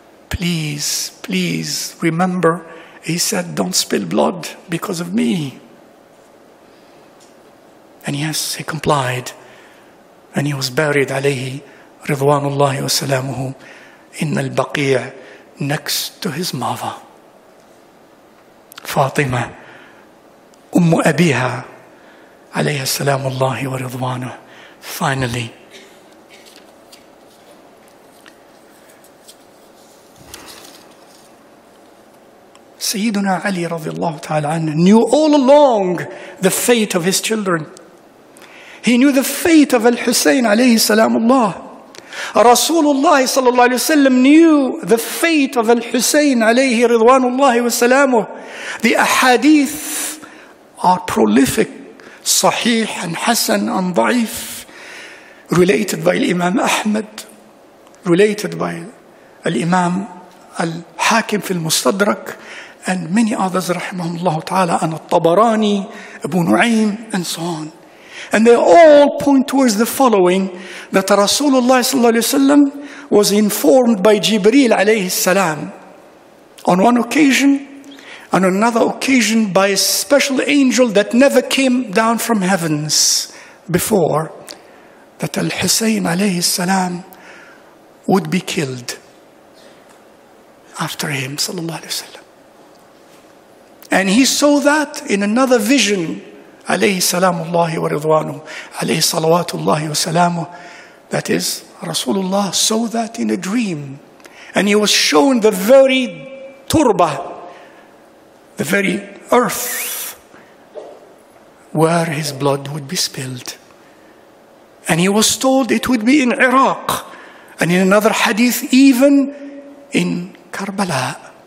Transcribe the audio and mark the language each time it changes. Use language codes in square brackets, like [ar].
[en] Please, please remember, he said, don't spill blood because of me. And yes, he complied. And he was buried alayhi ridwanullahi wa salamuhu in al-baqi' next to his mother. [ar] فاطمة أم أبيها عليها السلام الله ورضوانه. [en] Finally, سيدنا علي [ar] رضي الله تعالى عنه [en] knew all along the fate of his children. He knew the fate of الحسين [ar] عليه السلام الله. رسول الله صلى الله عليه وسلم [en] knew the fate of Al-Husayn [ar] عليه رضوان الله وسلامه. [en] The ahadith are prolific, صحيح and حسن and ضعيف, related by Imam Ahmad, related by Imam Al-Hakim [ar] في المستدرك, [en] and many others [ar] رحمهم الله تعالى, [en] and الطبراني, Abu Nu'aym, and so on. And they all point towards the following, that Rasulullah sallallahu alayhi wasallam was informed by Jibreel alayhi salam on one occasion, and another occasion by a special angel that never came down from heavens before, that Al-Husayn alayhi salam would be killed after him sallallahu alayhi wasallam. And he saw that in another vision [ar] عليه السلام الله ورضوانه عليه صلوات الله وسلامه. [en] That is, Rasulullah saw that in a dream, and he was shown the very turba, the very earth where his blood would be spilled. And he was told it would be in Iraq, and in another hadith even in Karbala.